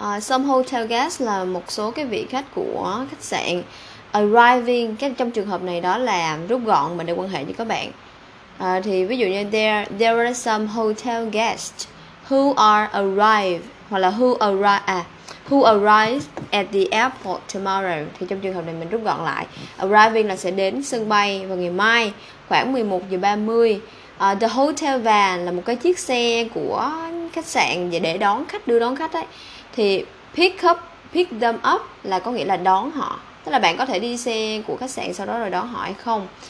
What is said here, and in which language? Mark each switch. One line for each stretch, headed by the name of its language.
Vietnamese: John,
English: some hotel guests,
Vietnamese: là một số cái vị khách của khách sạn. Arriving, cái trong trường hợp này đó là rút gọn mình để quan hệ với các bạn. Thì ví dụ như
English: there are some hotel guests who are arrive,
Vietnamese: hoặc là
English: who arrive at the airport tomorrow.
Vietnamese: Thì trong trường hợp này mình rút gọn lại, arriving là sẽ đến sân bay vào ngày mai khoảng 11:30.
English: The hotel van
Vietnamese: là một cái chiếc xe của khách sạn để đưa đón khách ấy. Thì
English: pick them up
Vietnamese: là có nghĩa là đón họ, tức là bạn có thể đi xe của khách sạn sau đó rồi đón họ hay không.